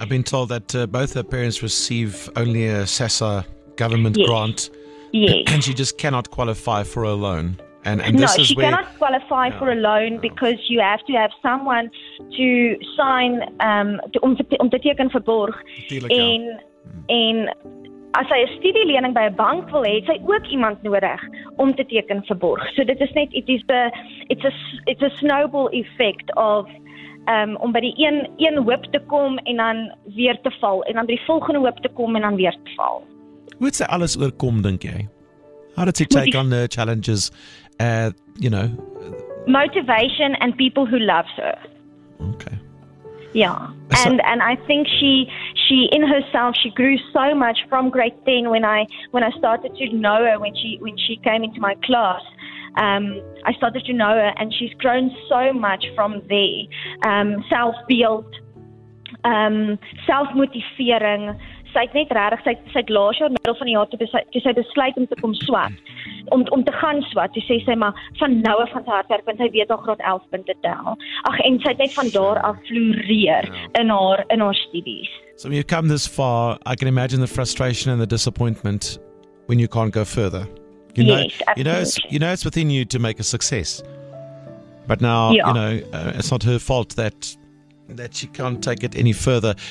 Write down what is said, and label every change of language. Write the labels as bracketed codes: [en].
[en] I've been told that both her parents receive only a SESA government grant. Yes. And she just cannot qualify for a loan. For a loan because you have to have someone to sign [af] om te teken vir borg. En as sy 'n studielening by 'n bank wil hê, het sy ook iemand nodig om te teken vir borg. So dit is net [en] it's a snowball effect [af] of om by die een hoop te kom en dan weer te val, en dan by die volgende hoop te kom en dan weer te val. Hoe het sy alles oorkom, dink jy? [en] How did she take on the challenges? Motivation and people who love her. Okay. Yeah. And I think she in herself, she grew so much from grade 10 when I started to know her, when she came into my class. I started to know her, and she's grown so much from there. [af] Self-beeld, self-motivering, sy het net regtig sy laas jaar middel van die jaar toe sy besluit om te kom swat. Om te gaan swat. Toe sê sy maar van nou af van sy hardwerk want sy weet al graad 11 punte tel. Ag en sy het net van daar af floreer in haar studies. [en] So when you've come this far, I can imagine the frustration and the disappointment when you can't go further. You know it's within you to make a success. But now, it's not her fault that she can't take it any further.